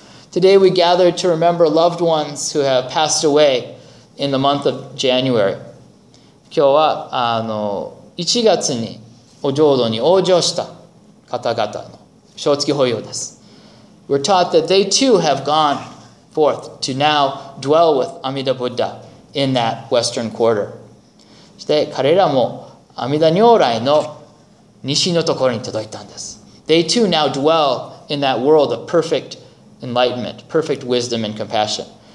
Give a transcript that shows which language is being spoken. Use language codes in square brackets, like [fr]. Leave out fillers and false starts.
[en] Today we gather to remember loved ones who have passed away in the month of January. [ja] 今日は1月にお浄土に往生した方々の正月法要です。 [en] We're taught that they too have gone forth to now dwell with Amida Buddha in that western quarter. They too now dwell in that world of perfect enlightenment, perfect wisdom and compassion.